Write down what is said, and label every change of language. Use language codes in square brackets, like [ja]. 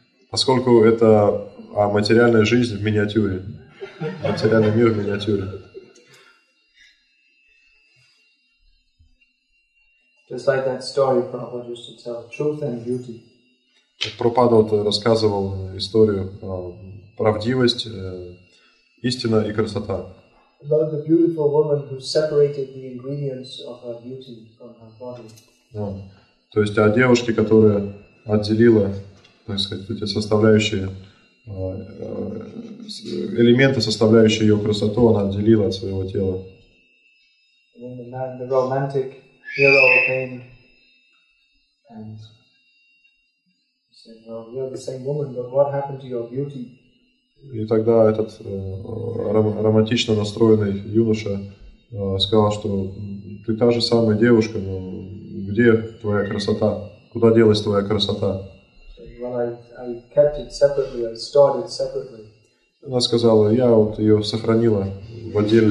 [ru] Поскольку это материальная жизнь в миниатюре. Материальный мир в миниатюре. [en] Just like that story Prabhupada used to tell, truth and beauty. [ru] Прабхупада рассказывал историю про правдивость, истина и красота. [en] About the beautiful woman who separated the ingredients of her beauty from her body. [ru] То есть о девушке, которая отделила, так сказать, эти составляющие, элементы, составляющие ее красоту, она отделила от своего тела. [en] And then the romantic hero came and said, well, you're the same woman, but what happened to your beauty? [ru] И тогда этот романтично настроенный юноша сказал, что ты та же самая девушка, но где твоя красота? Куда делась твоя красота? [en] Well, I kept it separately, I stored it separately. [ru] Она сказала, я вот ее сохранила в отдельно от себя.